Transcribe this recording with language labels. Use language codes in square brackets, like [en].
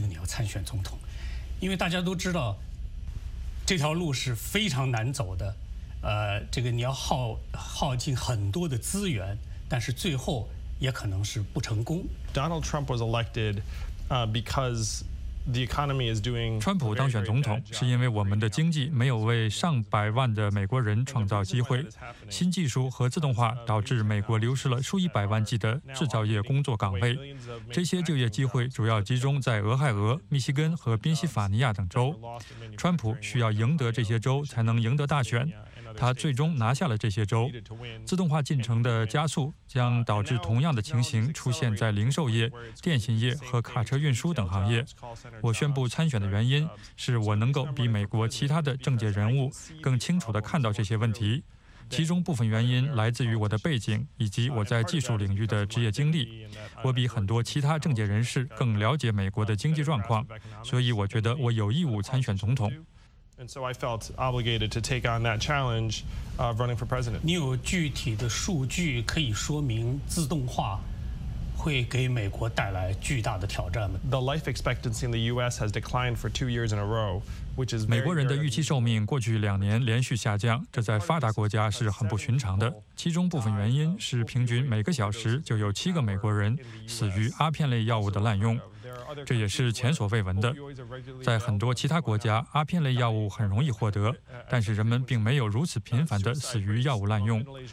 [zh] 么你要参选总统？因为大家都知道。这条路是非常难走的，这个你要耗尽很多的资源，但是最后也可能是不成功。 [en] Donald Trump was elected, because the economy is doing. [zh] 川普当选总统是因为我们的经济没有为上百万的美国人创造机会，新技术和自动化导致美国流失了数以百万计的制造业工作岗位，这些就业机会主要集中在俄亥俄、密西根和宾夕法尼亚等州。川普需要赢得这些州才能赢得大选。他最终拿下了这些州，自动化进程的加速将导致同样的情形出现在零售业、电信业和卡车运输等行业。我宣布参选的原因是我能够比美国其他的政界人物更清楚地看到这些问题，其中部分原因来自于我的背景以及我在技术领域的职业经历。我比很多其他政界人士更了解美国的经济状况，所以我觉得我有义务参选总统。 [en] And so I felt obligated to take on that challenge of running for president. [zh] 你有具体的数据可以说明自动化会给美国带来巨大的挑战吗？ [en] The life expectancy in the U.S. has declined for 2 years in a row, which is [zh] 美国人的预期寿命过去两年连续下降，这在发达国家是很不寻常的。其中部分原因是平均每个小时就有7个美国人死于阿片类药物的滥用。这也是前所未闻的。在很多其他国家，阿片类药物很容易获得，但是人们并没有如此频繁地死于药物滥用。